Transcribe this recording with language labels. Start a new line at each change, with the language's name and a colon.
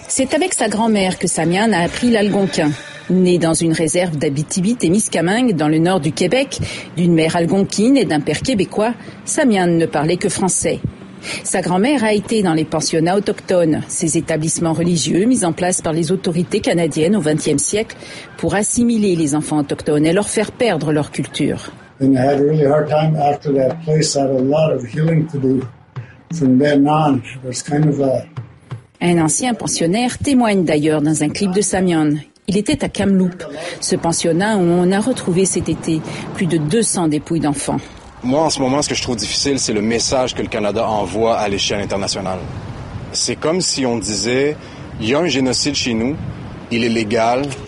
French: C'est avec sa grand-mère que Samian a appris l'algonquin. Née dans une réserve d'Abitibi-Témiscamingue, dans le nord du Québec, d'une mère algonquine et d'un père québécois, Samian ne parlait que français. Sa grand-mère a été dans les pensionnats autochtones, ces établissements religieux mis en place par les autorités canadiennes au 20e siècle pour assimiler les enfants autochtones et leur faire perdre leur culture.
English: And I had a really hard time after that place. I had a lot of healing to do from then on. It was kind of a...
French: Un ancien pensionnaire témoigne d'ailleurs dans un clip de Samian. Il était à Kamloops, ce pensionnat où on a retrouvé cet été plus de 200 dépouilles d'enfants. Moi, en ce moment, ce que je trouve difficile, c'est le message que le Canada envoie à l'échelle internationale. C'est comme si on disait, il y a un génocide chez nous, il est légal.